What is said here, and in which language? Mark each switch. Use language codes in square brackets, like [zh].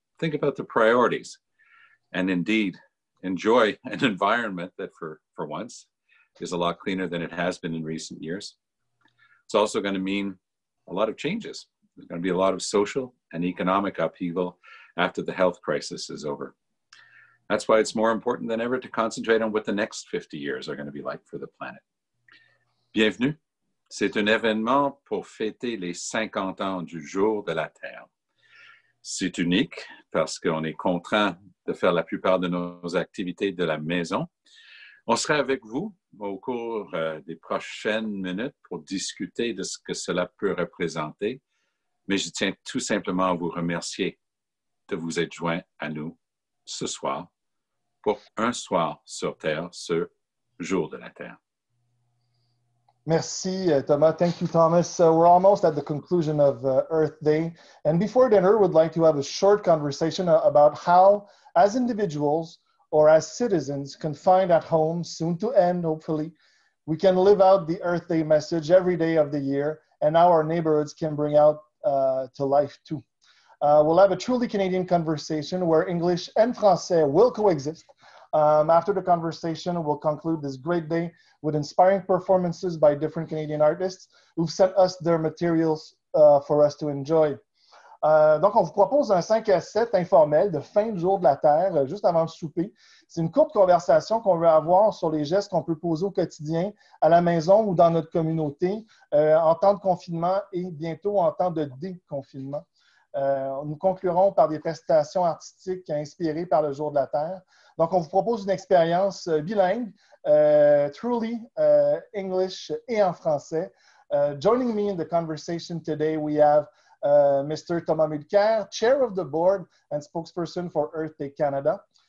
[en] Think about the priorities, and indeed enjoy an environment that for once is a lot cleaner than it has been in recent years. It's also going to mean a lot of changes. There's going to be a lot of social and economic upheaval after the health crisis is over. That's why it's more important than ever to concentrate on what the next 50 years are going to be like for the planet. [fr] Bienvenue. C'est un événement pour fêter les 50 ans du jour de la Terre. C'est unique parce qu'on est contraint de faire la plupart de nos activités de la maison. On sera avec vous au cours des prochaines minutes pour discuter de ce que cela peut représenter. Mais je tiens tout simplement à vous remercier de vous être joints à nous ce soir pour un soir sur Terre, ce jour de la Terre. Merci, Thomas. [en] Thank you, Thomas. We're almost at the conclusion of Earth Day. And before dinner, we'd like to have a short conversation about how, as individuals or as citizens confined at home, soon to end, hopefully, we can live out the Earth Day message every day of the year and how our neighborhoods can bring out to life, too. We'll have a truly Canadian conversation where English and Français will coexist. After the conversation, we'll conclude this great day with inspiring performances by different Canadian artists who've sent us their materials for us to enjoy. [fr] Donc, on vous propose un 5 à 7 informel de fin du jour de la Terre, juste avant le souper. C'est une courte conversation qu'on veut avoir sur les gestes qu'on peut poser au quotidien, à la maison ou dans notre communauté, en temps de confinement et bientôt en temps de déconfinement. Nous conclurons par des prestations artistiques inspirées par le jour de la Terre. Donc, on vous propose une expérience bilingue, [en] truly English [fr] et en français. [en] Joining me in the conversation today, we have Mr. Thomas Mulcaire, Chair of the Board and Spokesperson for Earth Day Canada.